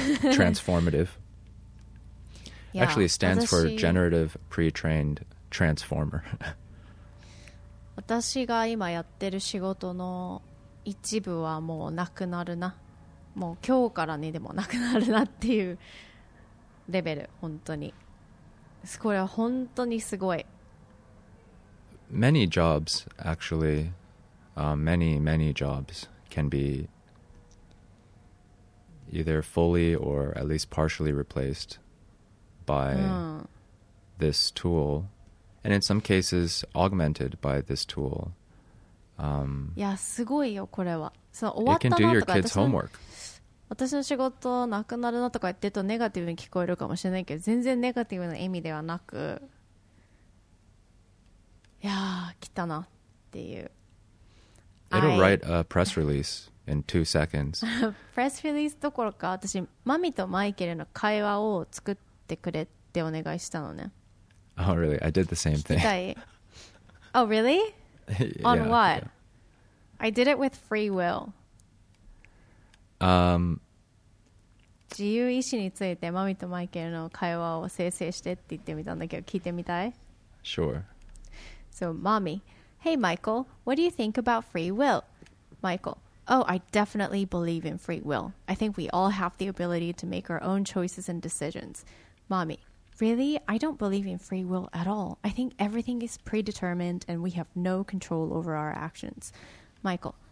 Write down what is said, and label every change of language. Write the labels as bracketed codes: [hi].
[en] Transformative. Yeah, actually, it stands for Generative Pre-trained Transformer. [ja] 私が今やってる仕事の一部はもうなくなるな、もう今日からにでもなくなるなっていうレベル、本当にこれは本当にすごい。 [en] Many jobs actually、many many jobs can be either fully or at least partially replaced by、this tool, and in some cases augmented by this tool [ja] いやすごいよこれは。その終わったなとか、 [en] It can do your kids' homework. [ja] 私の仕事なくなるなとか言ってるとネガティブに聞こえるかもしれないけど、全然ネガティブな意味ではなく、いやー来たなっていう。 [en] It'll write a press release in 2 seconds. [ja] Press release どころか、私マミとマイケルの会話を作ってくれってお願いしたのね。 [en] Oh really? I did the same thing. [ja] 聞きたい。 [en] Oh really? On yeah, what? Yeah. I did it with free will. [ja] 自由意志についてマミとマイケルの会話を生成してって言ってみたんだけど、聞いてみたい? [en] Sure. So, Mommy, hey Michael, what do you think about free will? Michael. Oh, I definitely believe in free will. I think we all have the ability to make our own choices and decisions. Mommy. Really? I don't believe in free will at all. I think everything is predetermined and we have no control over our actions. Michael.